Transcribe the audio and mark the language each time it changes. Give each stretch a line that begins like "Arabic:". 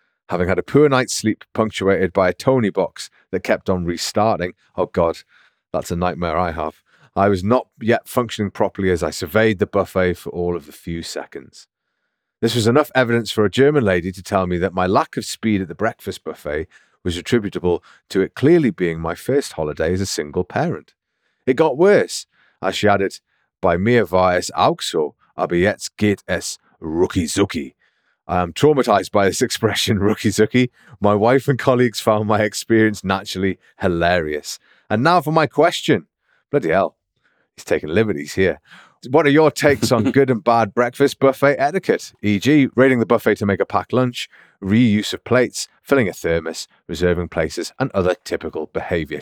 English: Having had a poor night's sleep punctuated by a Tony box that kept on restarting, oh God, that's a nightmare I have, I was not yet functioning properly as I surveyed the buffet for all of the few seconds. This was enough evidence for a German lady to tell me that my lack of speed at the breakfast buffet was attributable to it clearly being my first holiday as a single parent. It got worse, as she added,
German: "Bei mir war es auch so, aber jetzt geht es Rucki-zucki."
English: I am traumatized by this expression, rucki-zucki. My wife and colleagues found my experience naturally hilarious. And now for my question. Bloody hell, he's taking liberties here. What are your takes on good and bad breakfast buffet etiquette? E.g., raiding the buffet to make a packed lunch, reuse of plates, filling a thermos, reserving places, and other typical behavior.